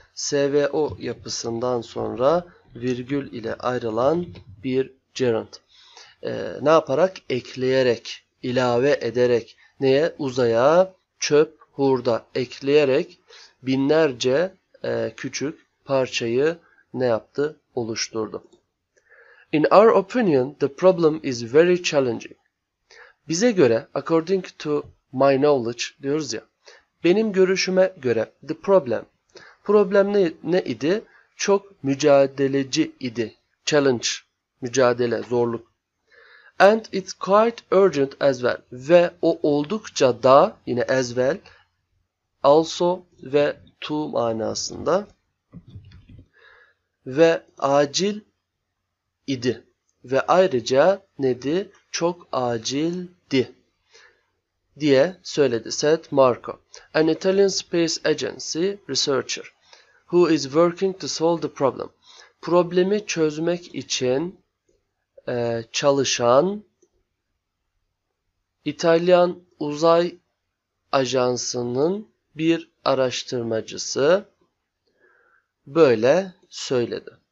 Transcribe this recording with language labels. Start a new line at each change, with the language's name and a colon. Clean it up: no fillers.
Turkish: SVO yapısından sonra virgül ile ayrılan bir gerund. Ne yaparak? Ekleyerek, ilave ederek. Neye? Uzaya, çöp, hurda. Ekleyerek binlerce küçük parçayı ne yaptı? Oluşturdu.
English: In our opinion, the problem is very challenging.
Turkish: Bize göre,
English: according to my knowledge
Turkish: diyoruz ya, benim görüşüme göre
English: the problem.
Turkish: Problem ne idi? Çok mücadeleci idi. Challenge, mücadele, zorluk.
English: And it's quite urgent as well.
Turkish: Ve o oldukça da, yine as well, also ve to manasında ve acil idi. Ve ayrıca nedi? Çok acildi diye söyledi Seth Marco.
English: An Italian space agency researcher who is working to solve the problem.
Turkish: Problemi çözmek için çalışan İtalyan uzay ajansının bir araştırmacısı böyle söyledi.